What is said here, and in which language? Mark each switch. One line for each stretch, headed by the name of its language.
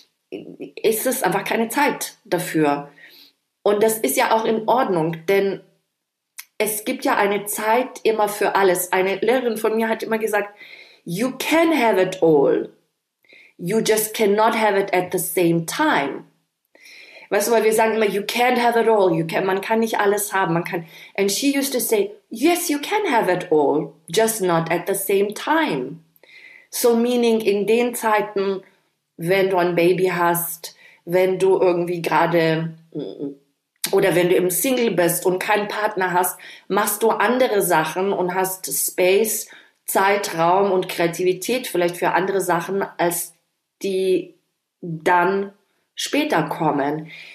German: Ist es einfach keine Zeit dafür. Und das ist ja auch in Ordnung, denn es gibt ja eine Zeit immer für alles. Eine Lehrerin von mir hat immer gesagt,
English: you can have it all, you just cannot have it at the same time.
German: Weißt du, weil wir sagen immer,
English: you can't have it all, you can,
German: man kann nicht alles haben. Man kann,
English: and she used to say, yes, you can have it all, just not at the same time. So meaning
German: in den Zeiten, wenn du ein Baby hast, wenn du irgendwie gerade... Oder wenn du im Single bist und keinen Partner hast, machst du andere Sachen und hast Space, Zeitraum und Kreativität vielleicht für andere Sachen, als die dann später kommen.